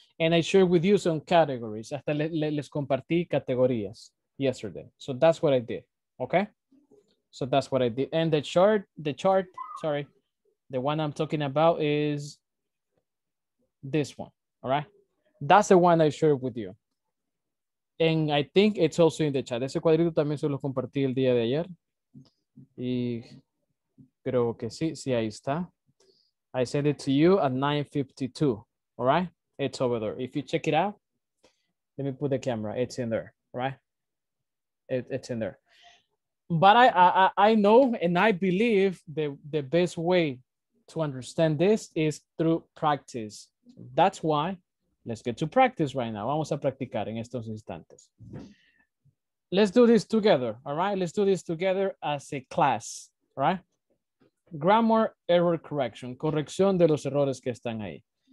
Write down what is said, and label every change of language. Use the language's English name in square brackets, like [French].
[English] And I share with you some categories. [Spanish] Hasta les compartí categorías [English] yesterday. So that's what I did, okay? So that's what I did. And the one I'm talking about is this one, all right? That's the one I shared with you. And I think it's also in the chat. [Spanish] Ese cuadrito también se lo compartí el día de ayer. Y creo que sí, sí, ahí está. [English] I sent it to you at 9:52, all right? It's over there. If you check it out, let me put the camera. It's in there, right? It's in there. But I know and I believe the best way to understand this is through practice. That's why. Let's get to practice right now. [Spanish] Vamos a practicar en estos instantes. [English] Let's do this together, all right? Let's do this together as a class, all right? Grammar error correction, [Spanish] corrección de los errores que están ahí.